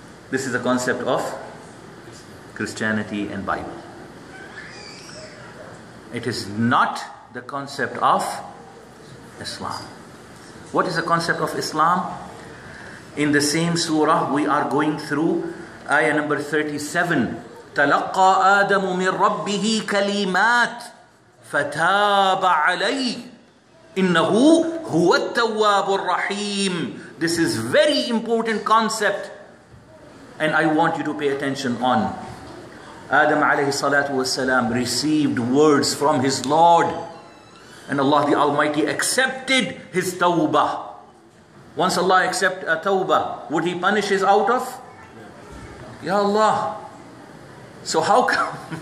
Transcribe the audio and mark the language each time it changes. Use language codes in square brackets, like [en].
[en] This is a concept of Christianity and Bible. It is not the concept of Islam. What is the concept of Islam? In the same surah, we are going through ayah number 37. [ar] تَلَقَّى آدَمُ مِنْ رَبِّهِ كَلِمَاتٍ فَتَابَ عَلَيْهِ إِنَّهُ هُوَ التَّوَّابُ الرَّحِيمُ [en] This is very important concept. And I want you to pay attention on. Adam alayhi salatu wasalam received words from his Lord. And Allah the Almighty accepted his tawbah. Once Allah accept a tawbah, would He punish his out of? Ya Allah. So how come?